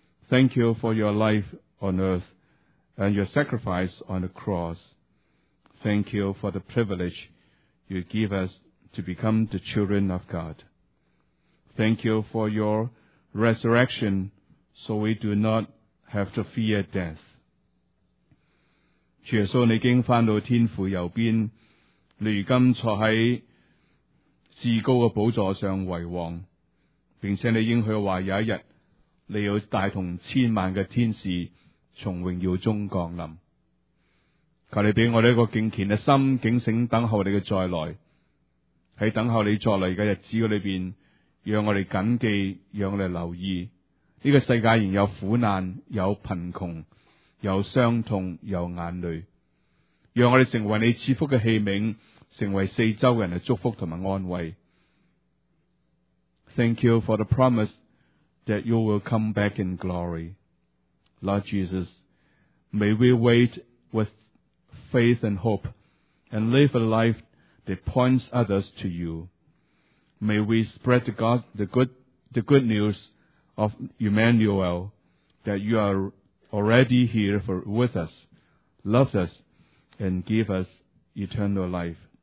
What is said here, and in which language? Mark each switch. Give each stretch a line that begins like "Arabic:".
English: Thank you for your life on earth and your sacrifice on the cross. Thank you for the privilege you give us to become the children of God. Thank you for your resurrection so we do not have to fear death.
Chinese: 主耶稣，你已经回到天父右边，你如今坐在至高的宝座上为王，并且你应许话有一日，你要带同千万的天使从荣耀中降临。求你给我们一个敬虔的心，警醒等候你的再来。在等候你再来的日子里面，让我们谨记，让我们留意，这个世界仍有苦难，有贫穷，有伤痛，有眼泪。让我们成为你赐福的器皿，成为四周人的祝福和安慰。
English: Thank you for the promise that you will come back in glory. Lord Jesus, may we wait with faith and hope and live a life that points others to you. May we spread the good news of Emmanuel that you are already here with us, love us, and give us eternal life.